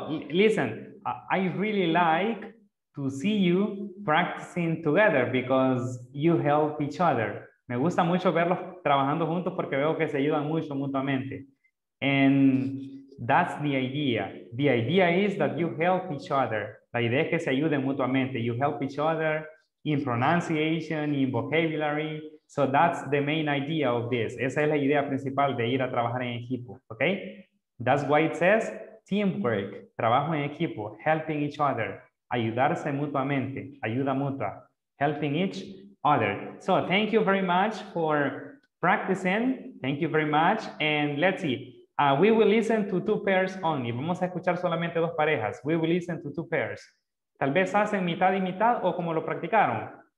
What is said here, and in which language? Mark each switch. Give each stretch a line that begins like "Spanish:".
English: Listen, I really like to see you practicing together because you help each other.
Spanish: Me gusta mucho verlos trabajando juntos porque veo que se ayudan mucho mutuamente.
English: And that's the idea. The idea is that you help each other.
Spanish: La idea es que se ayuden mutuamente.
English: You help each other in pronunciation, in vocabulary. So that's the main idea of this.
Spanish: Esa es la idea principal de ir a trabajar en equipo, okay?
English: That's why it says teamwork,
Spanish: trabajo en equipo,
English: helping each other,
Spanish: ayudarse mutuamente, ayuda mutua,
English: helping each other. So thank you very much for practicing. Thank you very much. And let's see, we will listen to two pairs only.
Spanish: Vamos a escuchar solamente dos parejas.
English: We will listen to two pairs.
Spanish: Tal vez hacen mitad y mitad o como lo practicaron.